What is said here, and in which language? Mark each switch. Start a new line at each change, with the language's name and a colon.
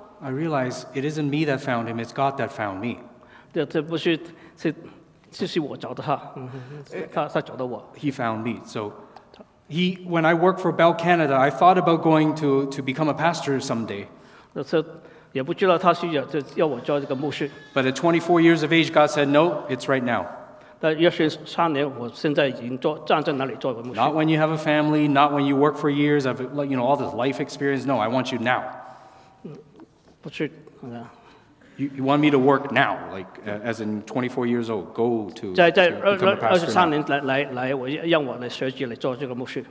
English: I realized it isn't me that found him, it's God that found me.
Chinese: 这不是。这是我找的他，他找的我。
English: He found me. So, when I worked for Bell Canada, I thought about going to become a pastor someday.
Chinese: 也不知道他是要我做这个牧师。
English: But at 24 years of age, God said, "No, it's right now."
Chinese: 但23年，我现在已经站在那里做牧师。
English: Not when you have a family, not when you work for years of you know all this life experience. No, I want you now.
Chinese: 不是。
English: You want me to work now, like as in 24 years old, go to become a pastor now.